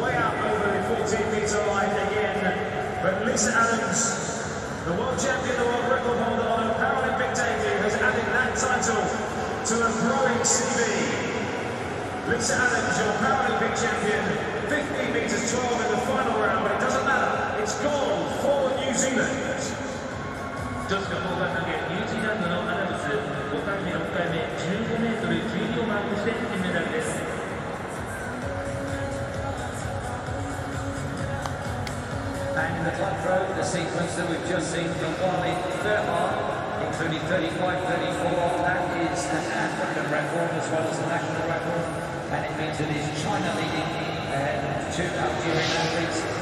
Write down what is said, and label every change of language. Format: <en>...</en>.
<en>Way up over the 14 metre line again. But Lisa Adams, the world champion, the world record holder on a Paralympic debut, has added that title to a growing CV. Lisa Adams, your Paralympic champion, 15 metres 12 in the final round, but it doesn't matter. it's gone for New Zealand.</en> <ja>女子の砲丸投げニュージーランドのアダムス5回目6回目15メートル10秒マークして金メダルです。</ja> <en>And in the club throw, the sequence that we've just seen from Wally Fairmont, including 35-34, that is an African record as well as a national record. And it means that it's China leading ahead of two Algerian athletes.</en>